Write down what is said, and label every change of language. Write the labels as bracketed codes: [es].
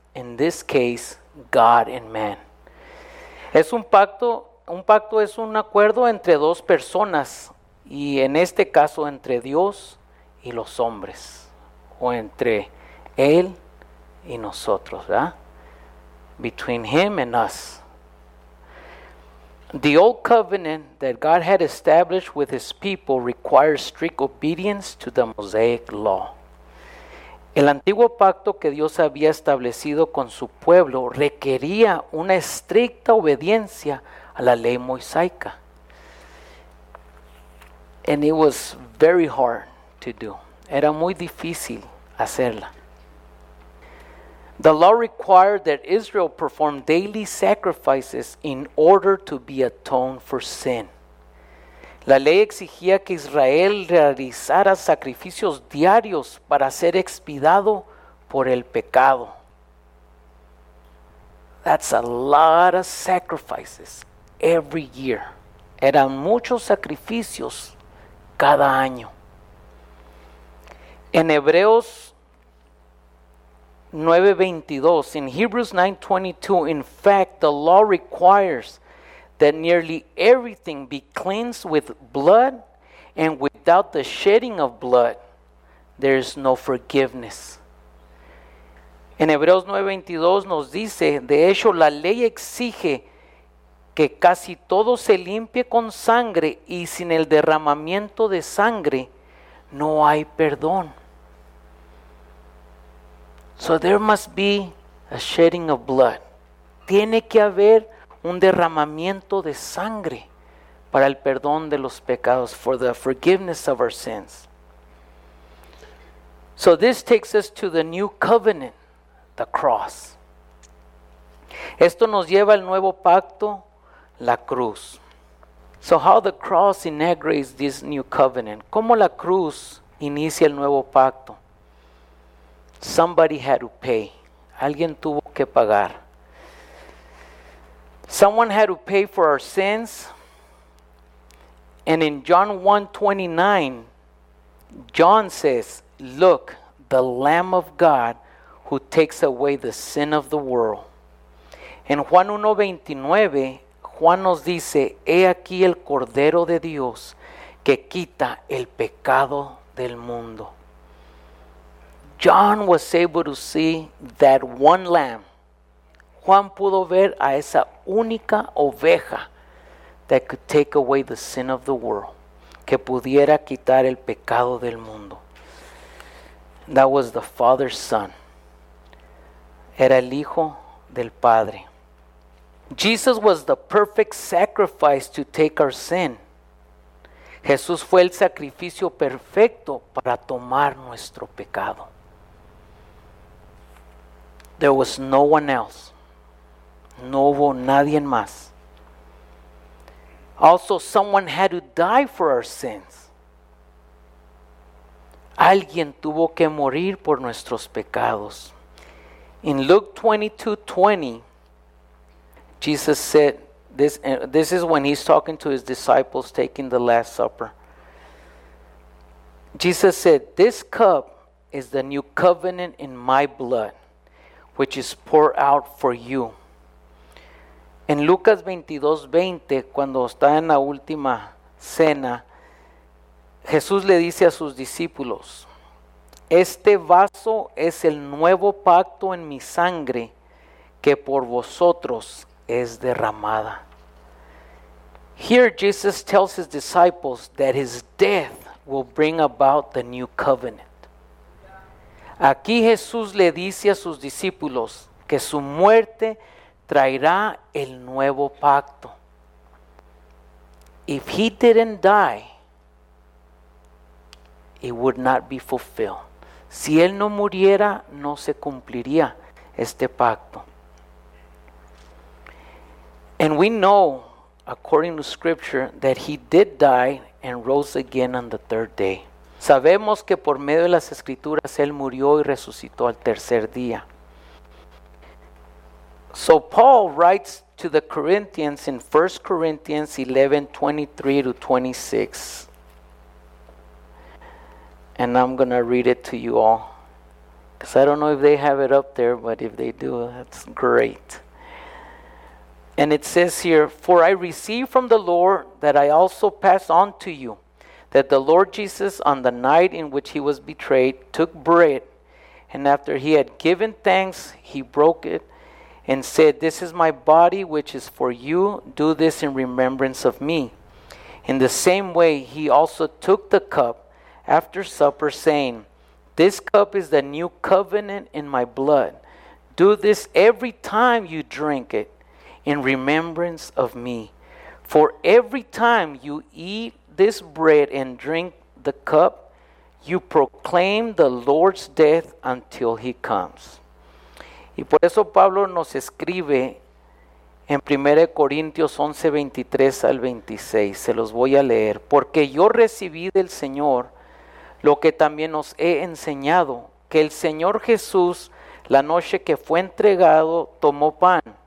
[en] In this case, God and man. [es] Es un pacto. Un pacto es un acuerdo entre dos personas, y en este caso entre Dios y los hombres, o entre Él y nosotros, ¿verdad? [en] Between Him and us. The old covenant that God had established with His people requires strict obedience to the Mosaic law. [es] El antiguo pacto que Dios había establecido con su pueblo requería una estricta obediencia a la ley mosaica. [en] And it was very hard to do. [es] Era muy difícil hacerla. [en] The law required that Israel perform daily sacrifices in order to be atoned for sin. [es] La ley exigía que Israel realizara sacrificios diarios para ser expiado por el pecado. [en] That's a lot of sacrifices every year. [es] Eran muchos sacrificios cada año. En Hebreos 9:22, [en] in Hebrews 9:22, in fact, the law requires that nearly everything be cleansed with blood, and without the shedding of blood, there is no forgiveness. [es] En Hebreos 9:22 nos dice, de hecho, la ley exige que casi todo se limpie con sangre, y sin el derramamiento de sangre, no hay perdón. [en] So there must be a shedding of blood. [es] Tiene que haber un derramamiento de sangre para el perdón de los pecados, [en] for the forgiveness of our sins. So this takes us to the new covenant, the cross. [es] Esto nos lleva al nuevo pacto, la cruz. [en] So how the cross inaugurates this new covenant? [es] ¿Cómo la cruz inicia el nuevo pacto? [en] Somebody had to pay. [es] Alguien tuvo que pagar. [en] Someone had to pay for our sins. And in John 1:29, John says, "Look, the Lamb of God who takes away the sin of the world." En Juan 1:29, Juan nos dice, "He aquí el Cordero de Dios que quita el pecado del mundo." John was able to see that one lamb. [es] Juan pudo ver a esa única oveja [en] that could take away the sin of the world. [es] Que pudiera quitar el pecado del mundo. [en] That was the Father's Son. [es] Era el Hijo del Padre. [en] Jesus was the perfect sacrifice to take our sin. [es] Jesús fue el sacrificio perfecto para tomar nuestro pecado. [en] There was no one else. [es] No hubo nadie más. [en] Also, someone had to die for our sins. [es] Alguien tuvo que morir por nuestros pecados. [en] In Luke 22:20, Jesus said, this is when he's talking to his disciples taking the Last Supper. Jesus said, "This cup is the new covenant in my blood, which is poured out for you." [es] En Lucas 22:20, cuando está en la última cena, Jesús le dice a sus discípulos, "Este vaso es el nuevo pacto en mi sangre que por vosotros es derramada." [en] Here Jesus tells his disciples that his death will bring about the new covenant. [es] Aquí Jesús le dice a sus discípulos que su muerte traerá el nuevo pacto. [en] If he didn't die, it would not be fulfilled. [es] Si él no muriera, no se cumpliría este pacto. [en] And we know, according to Scripture, that he did die and rose again on the third day. [es] Sabemos que por medio de las Escrituras él murió y resucitó al tercer día. [en] So Paul writes to the Corinthians in 1 Corinthians 11:23-26. And I'm going to read it to you all. Because I don't know if they have it up there, but if they do, that's great. And it says here, "For I received from the Lord that I also pass on to you, that the Lord Jesus, on the night in which he was betrayed, took bread, and after he had given thanks, he broke it and said, 'This is my body, which is for you. Do this in remembrance of me.' In the same way, he also took the cup after supper, saying, 'This cup is the new covenant in my blood. Do this every time you drink it in remembrance of me. For every time you eat this bread and drink the cup, you proclaim the Lord's death until he comes.' [es] Y por eso Pablo nos escribe en 1 Corintios 11, 23 al 26. Se los voy a leer. Porque yo recibí del Señor lo que también os he enseñado, que el Señor Jesús, la noche que fue entregado, tomó pan.